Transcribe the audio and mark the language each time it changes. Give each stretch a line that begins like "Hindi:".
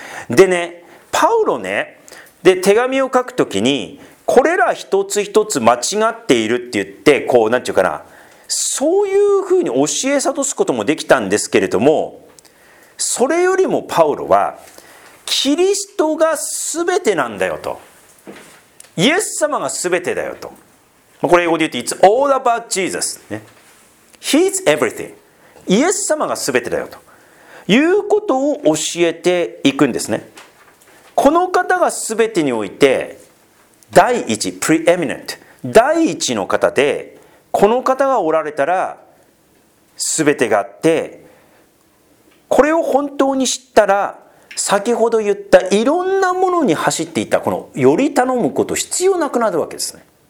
Japanese: でね、パウロね、で手紙を書くときに、これら一つ一つ間違っているって言って、こう、なんていうかな、そういうふうに教え諭すこともできたんですけれども、それよりもパウロは、キリストが全てなんだよと。イエス様が全てだよと。これ英語で言うと、
English: It's all about Jesus.、ね、He's everything.
Japanese: イエス様が全てだよと。いうことを教えていくんですね。この方が全てにおいて、第一、プリエミネント、第一の方で、この方がおられたら、すべてがあって、これを本当に知ったら、先ほど言ったいろんなものに走っていた、このより頼むこと、必要なくなるわけですね。